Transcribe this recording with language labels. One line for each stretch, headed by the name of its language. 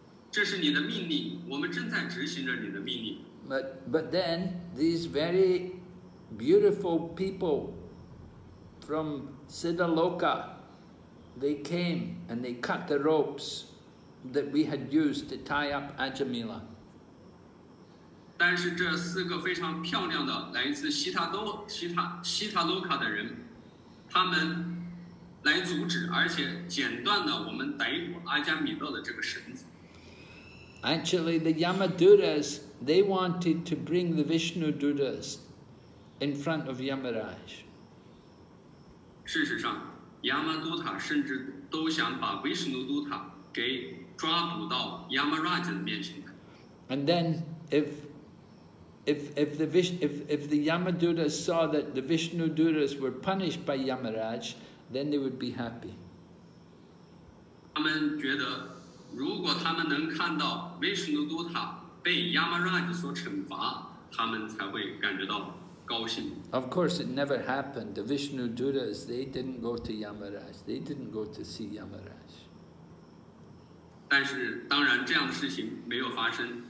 Chinese: 这是你的命令，我们正在执行着你的命令。
English: But then these very beautiful people from Siddhaloka, they came and they cut the ropes that we had used to tie up Ajamila.
Chinese: 但是这四个非常漂亮的来自西塔洛卡的人，他们来阻止，而且剪断了我们逮捕阿加米勒的这个绳子。
English: Actually, the Yamaduras, they wanted to bring the Vishnu Duras in front of Yamaraj.
Chinese: 事实上，亚玛都塔甚至都想把维什努都塔给抓捕到 Yamaraj 的面前。
English: And then if the Yamaduras saw that the Vishnu Duras were punished by Yamaraj, then they would be happy.
Chinese: 他们觉得，如果他们能看到 Vishnu Duta 被 Yamaraj 所惩罚，他们才会感觉到高兴。
English: Of course, it never happened. The Vishnu Duras, they didn't go to Yamaraj. They didn't go to see Yamaraj.
Chinese: 但是当然，这样的事情没有发生。